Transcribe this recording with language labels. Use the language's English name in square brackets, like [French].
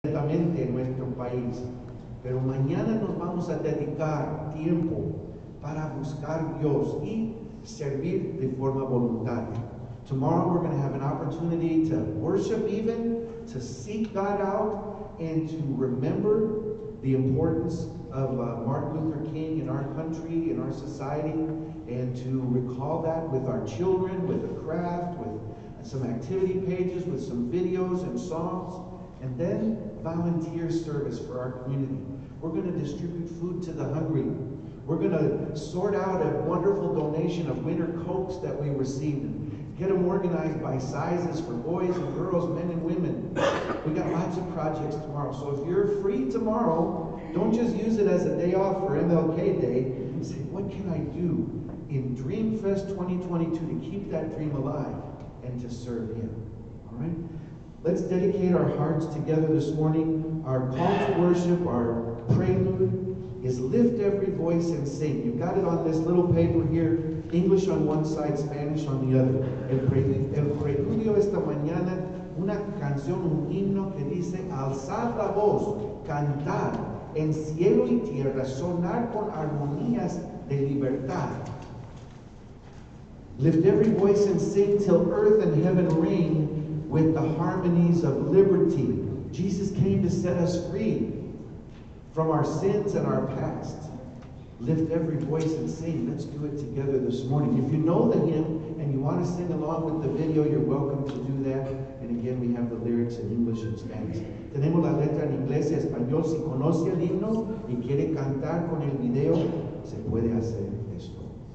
[Spanish] país, pero mañana nos vamos a dedicar tiempo para buscar Dios y servir de forma voluntaria. [English] Tomorrow we're going to have an opportunity to worship even, to seek God out, and to remember the importance of Martin Luther King in our country, in our society, and to recall that with our children, with a craft, with some activity pages, with some videos and songs, and then volunteer service for our community. We're going to distribute food to the hungry. We're going to sort out a wonderful donation of winter coats that we received, and get them organized by sizes for boys and girls, men and women. We got lots of projects tomorrow. So if you're free tomorrow, don't just use it as a day off for MLK Day. Say, what can I do in DreamFest 2022 to keep that dream alive and to serve Him? All right? Let's dedicate our hearts together this morning. Our call to worship, our prelude, is lift every voice and sing. You've got it on this little paper here. English on one side, Spanish on the other. [Spanish] El preludio esta mañana, una canción, un himno que dice, alzad la voz, cantar en cielo y tierra, sonar con armonías de libertad. [English] Lift every voice and sing till earth and heaven ring with the harmonies of liberty. Jesus came to set us free from our sins and our past. Lift every voice and sing. Let's do it together this morning. If you know the hymn and you want to sing along with the video, you're welcome to do that. And again, we have the lyrics in English and Spanish. [Spanish] Tenemos la letra en inglés y español. Si conoce el himno y quiere cantar con el video, se puede hacer esto.